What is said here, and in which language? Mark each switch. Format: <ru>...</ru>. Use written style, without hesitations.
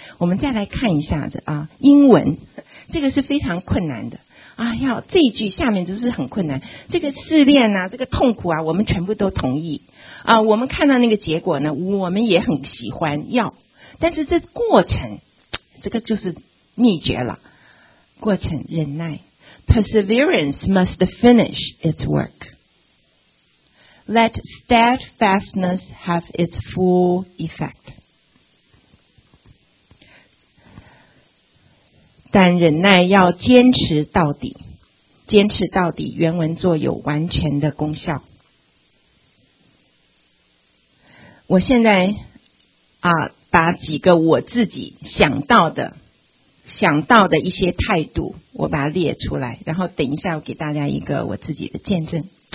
<zh>我们再来看一下子啊，英文这个是非常困难的啊，要这一句下面都是很困难。这个试炼啊，这个痛苦啊，我们全部都同意啊，我们看到那个结果呢，我们也很喜欢要，但是这过程，这个就是秘诀了。过程忍耐</zh> <en>，perseverance must finish its work。 Let steadfastness have its full effect。</en> <zh>但忍耐要坚持到底，坚持到底，原文作有完全的功效。我现在啊，把几个我自己想到的一些态度，我把它列出来，然后等一下我给大家一个我自己的见证。</zh>